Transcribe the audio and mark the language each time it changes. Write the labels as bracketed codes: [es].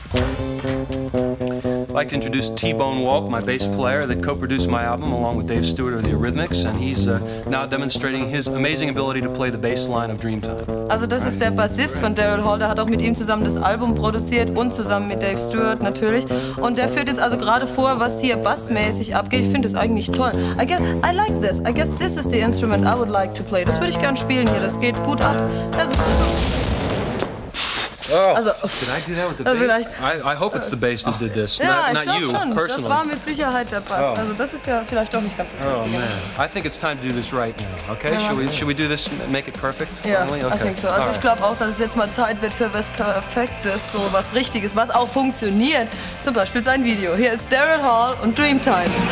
[en] I'd like to introduce T-Bone Walk, my bass player that co-produced my album along with Dave Stewart of the Eurythmics, and he's now demonstrating his amazing ability to play the bass line of Dreamtime. [de] Also das ist der Bassist von Daryl Hall, der hat auch mit ihm zusammen das Album produziert und zusammen mit Dave Stewart natürlich. Und der führt jetzt also gerade vor, was hier bassmäßig abgeht. Ich finde das eigentlich toll. [en] I like this. I guess this is the instrument I would like to play. [de] Das würde ich gerne spielen hier. Das geht gut ab. [en] Also, did I do that with the bass? [de] Vielleicht. [en] I hope it's the bass that did this, [de] ja, [en] not you, [de] schon. [en] Personally. [de] Das war mit Sicherheit der Bass. Also das ist ja vielleicht doch nicht ganz so richtig. [en] Oh man, I think it's time to do this right now, okay? Ja, should we do this, make it perfect? Ja, yeah, okay. I think so. [de] Also ich glaube auch, dass es jetzt mal Zeit wird für was Perfektes, so was Richtiges, was auch funktioniert. Zum Beispiel sein Video. Hier ist Daryl Hall und Dreamtime.